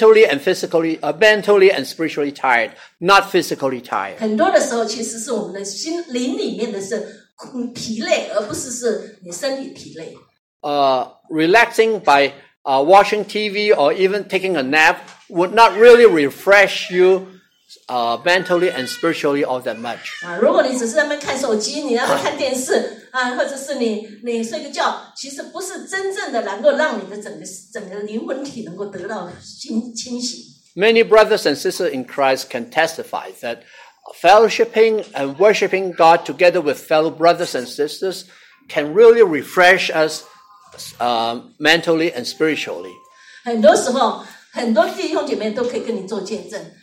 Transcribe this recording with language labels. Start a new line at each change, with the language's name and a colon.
English: We are only mentally and spiritually tired, not physically tired.
Chinese: 很多的时候，其实是我们的心灵里面的是疲累，而不是你身体疲累。
English: Relaxing by watching TV or even taking a nap would not really refresh you mentally and spiritually all that much.
Chinese: 如果你只是在那边看手机，你在那边看电视。或者是你睡个觉，其实不是真正的能够让你的整个灵魂体能够得到清醒。
English: Many brothers and sisters in Christ can testify that fellowshipping and worshiping God together with fellow brothers and sisters can really refresh us mentally and spiritually.
Chinese: 很多时候，很多弟兄姐妹都可以跟你做见证。